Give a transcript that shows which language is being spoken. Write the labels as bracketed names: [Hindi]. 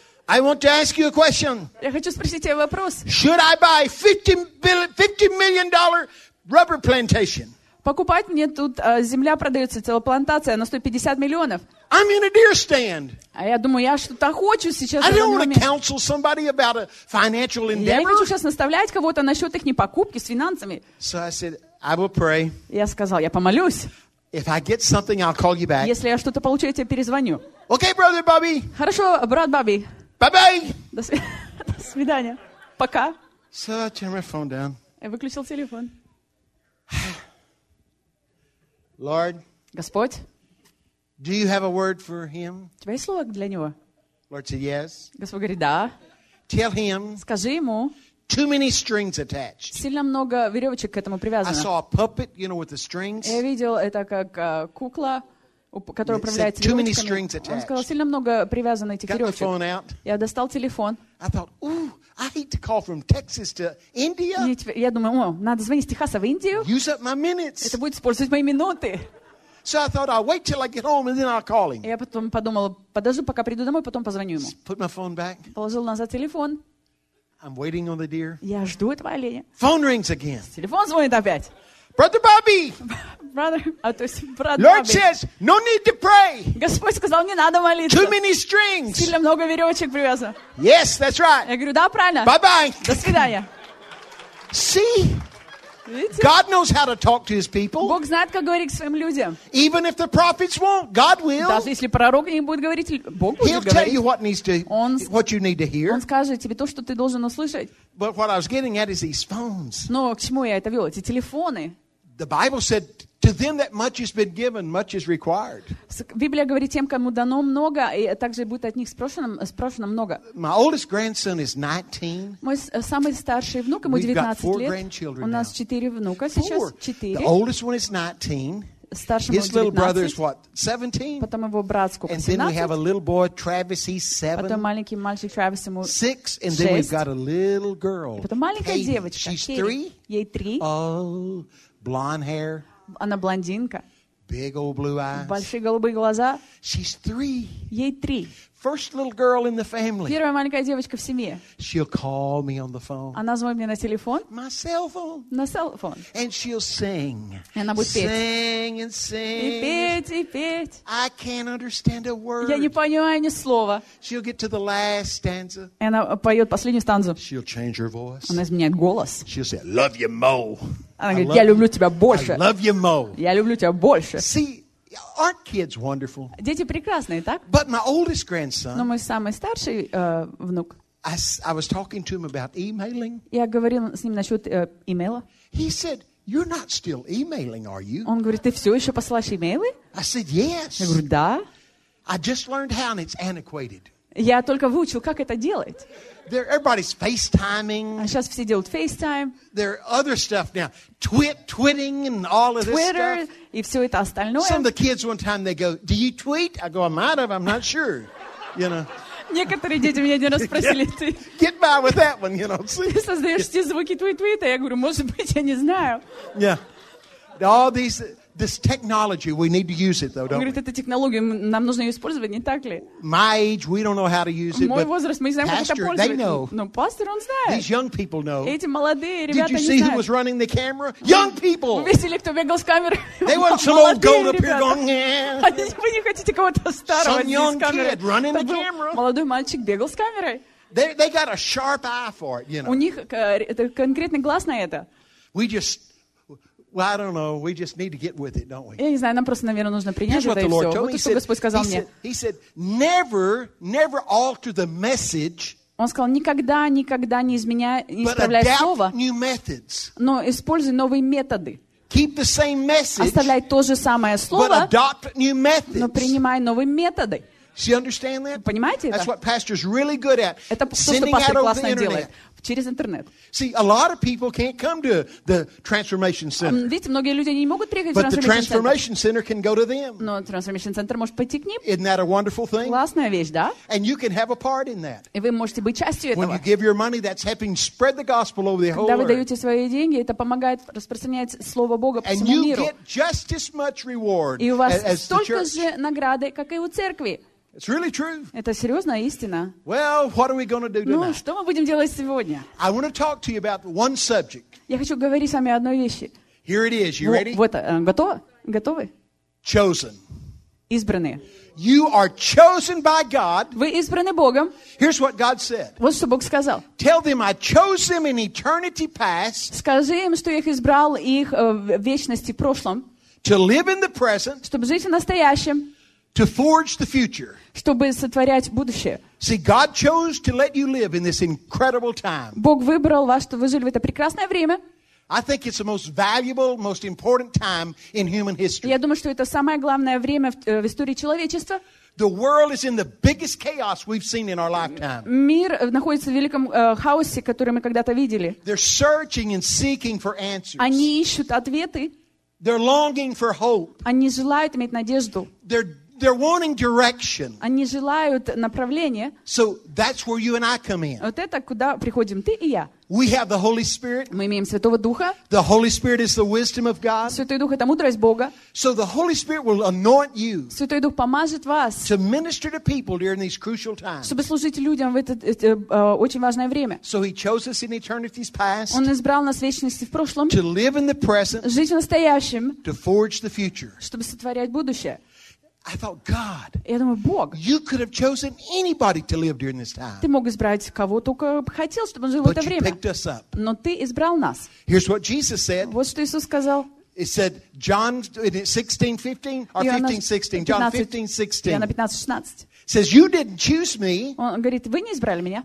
[English] I want to ask you a question. [Russian] Я хочу спросить тебя вопрос. [English] Should I buy $50 million rubber plantation? [Russian] Покупать мне тут земля продается целая плантация на 150 миллионов. [English] I'm in a deer stand. [Russian] А я думаю, я что-то охочу сейчас. [English] I don't want to counsel somebody about a financial endeavor. [Russian] Я не хочу сейчас наставлять кого-то насчет их непокупки с финансами. [English] So I said, I will pray. [Russian] Я сказал, я помолюсь. [English] If I get something, I'll call you back. [Russian] Если я что-то получу, я тебе перезвоню. [English] Okay, brother Bobby. [Russian] Хорошо, брат Бобби. [English] Bye-bye. [Russian] До свидания. Пока. [English] So I turned my phone down. [Russian] Я выключил телефон. [English] Lord. [Russian] Господь. [English] Do you have a word for him? [Russian] У тебя есть слово для него? [English] Lord said yes. [Russian] Господь говорит да. [English] Tell him. [Russian] Скажи ему. [English] Too many strings attached. [Russian] Сильно много веревочек к этому привязано. [English] I saw a puppet, you know, with the strings. [Russian] Я видел это как кукла, которая управляется [English] too many strings attached. [Russian] Он сказал сильно много привязано этих веревочек. [English] Got the phone out. [Russian] Я достал телефон. [English] I thought, ooh, I hate to call from Texas to India. [Russian] Я думаю, надо звонить из Техаса в Индию. [English] Use up my minutes. [Russian] Это будет использовать мои минуты. [English] So I thought I'll wait till I get home and then I'll call him. [Russian] Я потом подумал, подожду, пока приду домой, потом позвоню ему. [English] Put my phone back. [Russian] Положил назад телефон. [English] I'm waiting on the deer. [Russian] Я жду этого оленя. [English] Phone rings again. [Russian] Телефон звонит опять. [English] Brother Bobby. Brother, [Russian] а то есть брат [English] Lord Bobby. Says, no need to pray. [Russian] Господь сказал, не надо молиться. [English] Too many strings. [Russian] Сильно много веревочек привязано. [English] Yes, that's right. [Russian] Я говорю, да, правильно. [English] Bye-bye. [Russian] До свидания. [English] See? God knows how to talk to his people. [Russian] Бог знает, как говорить к своим людям. [English] Even if the prophets won't, God will. [Russian] Даже если пророк не будет говорить, Бог будет говорить. [English] He'll tell you what needs to, what you need to hear. [Russian] Он скажет тебе то, что ты должен услышать. [English] But what I was getting at is these phones. [Russian] Но к чему я это вел? Эти телефоны. [English] The Bible said, "To them that much has been given, much is required." [Russian] Библия говорит тем, кому дано много, и также будет от них спрошено много. [English] My oldest grandson is 19. [Russian] Мой самый старший внук, ему 19 лет. [English] We've got four grandchildren now. [Russian] У нас четыре внука сейчас. Четыре. [English] The oldest one is 19. His little brother is what, 17? [Russian] Потом его брат сколько, 17? [English] And then we have a little boy, Travis, he's 7. [Russian] Потом маленький мальчик, Travis, ему 6. [English] 6. And then we've got a little girl, [Russian] потом маленькая девочка, [English] she's 3. [Russian] Ей 3. [English] Oh, blonde hair. [Russian] Она блондинка. [English] Big old blue eyes. [Russian] Большие голубые глаза. [English] She's 3. [Russian] Ей 3. [English] First little girl in the family. [Russian] Первая маленькая девочка в семье. [English] She'll call me on the phone. [Russian] Она звонит мне на телефон. [English] My cell phone. [Russian] На телефон. [English] And she'll sing. [Russian] И она будет петь. [English] Sing and sing. [Russian] И петь, и петь. [English] I can't understand a word. [Russian] Я не понимаю ни слова. [English] She'll get to the last stanza. [Russian] И она поет последнюю стансу. [English] She'll change her voice. [Russian] Она изменяет голос. [English] She'll say, "Love you more." [Russian] Она говорит, я люблю тебя больше. [English] I love you more. [Russian] Я люблю тебя больше. [English] See, aren't kids wonderful? [Russian] Дети прекрасные, так? [English] But my oldest grandson. [Russian] Но мой самый старший внук. [English] I was talking to him about emailing. [Russian] Я говорил с ним насчет имейла. [English] He said, "You're not still emailing, are you?" [Russian] Он говорит, ты все еще посылаешь имейлы? [English] I said, "Yes." [Russian] Я говорю, да. [English] I just learned how, and it's antiquated. [Russian] Я только выучил, как это делать. [English] Everybody's FaceTiming. [Russian] А сейчас все делают FaceTime. [English] There are other stuff now. Twitting and all of Twitter, this stuff. [Russian] Twitter и все это остальное. [English] Some of the kids one time they go, "Do you tweet?" I go, "I might have, I'm not sure." You know. [Russian] Некоторые дети меня один раз спросили, ты. [English] Get by with that one, you know. [Russian] Ты создаешь все звуки твит-твита? Я говорю, может быть, я не знаю. [English] Yeah. All these. This technology, we need to use it, though, don't [Russian] говорит, Говорит, эта технология нам нужно ее использовать, не так ли? [English] My age, we don't know how to use it. [Russian] Мой возраст, мы не знаем, как это пользоваться. [English] They know. [Russian] Но пастор, он знает. [English] These young people know. [Russian] Эти молодые ребята не знают. [English] Did you see who was running the camera? Young people. [Russian] Вы видели, кто бегал с камерой? [English] They want some old goat up here going. [Russian] Вы не хотите кого-то старого [English] Some young kid running the camera. [Russian] Молодой мальчик бегал с камерой. [English] They got a sharp eye for it, you know. [Russian] У них это конкретный глаз на это. [English] We just Well, I don't know. We just need to get with it, don't we? [Russian] Я не знаю, нам просто, наверное, нужно принять это и все. Вот то, что Господь сказал мне. [English] He said, "Never, never alter the message." [Russian] Он сказал, никогда, никогда не изменяй, не исправляй слово. [English] New methods. [Russian] Но используй новые методы. [English] Keep the same message. [Russian] Оставляй то же самое слово. [English] But adopt new methods. [Russian] Но принимай новые методы. [English] Do you understand that? [Russian] Понимаете это? [English] That's what pastor's really good at. [Russian] Это то, что пастор классно делает. Через интернет. [English] See, a lot of people can't come to the transformation center. [Russian] Видите, многие люди не могут приехать в [English] transformation center. Can go to them. [Russian] Но transformation center может пойти к ним. [English] Isn't that a wonderful thing? [Russian] Классная вещь, да? [English] And you can have a part in that. [Russian] И вы можете быть частью этого. [English] When you give your money, that's helping spread the gospel over the whole earth. [Russian] Когда вы даете свои деньги, это помогает распространять слово Бога по всему миру. [English] And you get just as much reward. [Russian] И у вас столько же награды, как и у церкви. [English] It's really true. [Russian] Это серьезная истина. [English] Well, what are we going to do tonight? [Russian] Ну, что мы будем делать сегодня? [English] I want to talk to you about one subject. [Russian] Я хочу говорить с вами одной вещи. [English] Here it is. You ready? [Russian] Вот, готово? Готовы? [English] Chosen. [Russian] Избранные. [English] You are chosen by God. [Russian] Вы избраны Богом. [English] Here's what God said. [Russian] Вот что Бог сказал. [English] Tell them I chose them in eternity past. [Russian] Скажи им, что я их избрал их в вечности прошлом. [English] To live in the present. [Russian] Чтобы жить в настоящем. [English] To forge the future. [Russian] Чтобы сотворять будущее. [English] See, God chose to let you live in this incredible time. [Russian] Бог выбрал вас, чтобы вы жили в это прекрасное время. [English] I think it's the most valuable, most important time in human history. [Russian] Я думаю, что это самое главное время в истории человечества. [English] The world is in the biggest chaos we've seen in our lifetime. [Russian] Мир находится в великом хаосе, который мы когда-то видели. [English] They're searching and seeking for answers. [Russian] Они ищут ответы. [English] They're longing for hope. [Russian] Они желают иметь надежду. [English] They're wanting direction. [Russian] Они желают направления. [English] So that's where you and I come in. [Russian] Вот это куда приходим ты и я. [English] We have the Holy Spirit. [Russian] Мы имеем Святого Духа. [English] The Holy Spirit is the wisdom of God. [Russian] Святой Дух — это мудрость Бога. [English] So the Holy Spirit will anoint you. [Russian] Святой Дух помажет вас. [English] To minister to people during these crucial times. [Russian] Чтобы служить людям в это очень важное время. [English] So He chose us in eternity's past. [Russian] Он избрал нас в вечности в прошлом. [English] To live in the present. [Russian] Жить в настоящем. [English] To forge the future. [Russian] Чтобы сотворять будущее. [English] I thought, God, [Russian] я думаю, Бог, [English] you could have chosen anybody to live during this time. [Russian] Ты мог избрать кого только хотел, чтобы он жил [English] But [Russian] в это [English] you [Russian] время. [English] Picked us up. [Russian] Но ты избрал нас. [English] Here's what Jesus said. [Russian] Вот что Иисус сказал. [English] It said, John 15:16. Says, you didn't choose me. [Russian] Он говорит, вы не избрали меня.